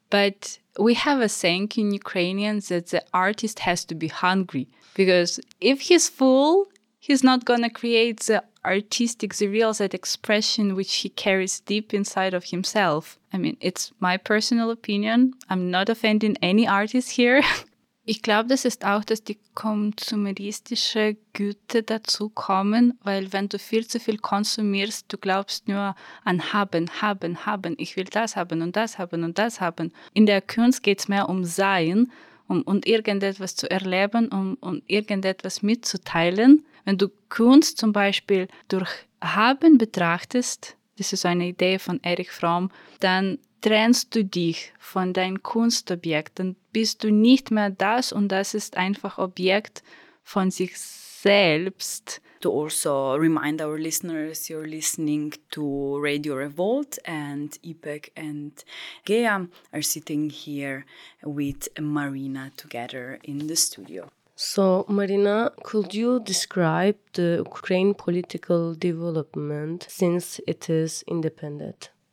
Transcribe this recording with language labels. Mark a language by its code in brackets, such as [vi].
[en] But we have a saying in Ukrainian that the artist has to be hungry, because if he's full, he's not gonna create the artistic, the real, that expression which he carries deep inside of himself. I mean, it's my personal opinion. I'm not offending any artist here. [de] Ich glaube, das ist auch, dass die konsumeristische Güte dazu kommen, weil wenn du viel zu viel konsumierst, du glaubst nur an haben. Ich will das haben und das haben und das haben. In der Kunst geht es mehr um Sein, um irgendetwas zu erleben, um irgendetwas mitzuteilen. Wenn du Kunst zum Beispiel durch Haben betrachtest, das ist eine Idee von Erich Fromm, dann trennst du dich von deinem Kunstobjekt, dann bist du nicht mehr das, und das ist einfach Objekt von sich selbst. [en] To also remind our listeners, you're listening to Radio Revolt, and Ipek and Gea are sitting here with Marina together in the studio. So, Marina, could you describe the Ukraine political development since it is independent?